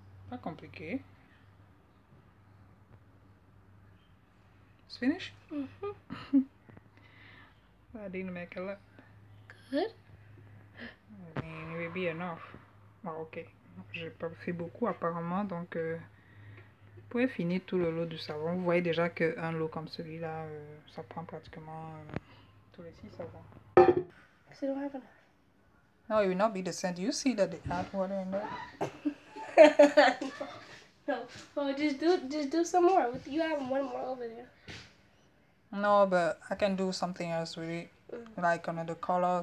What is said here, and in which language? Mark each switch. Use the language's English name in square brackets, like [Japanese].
[French] Pas compliqué. [English] It's finished? Mm-hmm. That didn't make a lot. Good. I mean, it would be enough. Well, okay. [French] J'ai pas fait beaucoup apparemment, donc vous pouvez finir tout le lot du savon. Vous voyez déjà qu'un lot comme celui-là, ça prend pratiquement tous les 6 savons. [English] So you don't have enough. No, it will not be the same. Do you see that they add water in there? No, well, just do some more. You have one more over there. No, but I can do something else with it, like another color.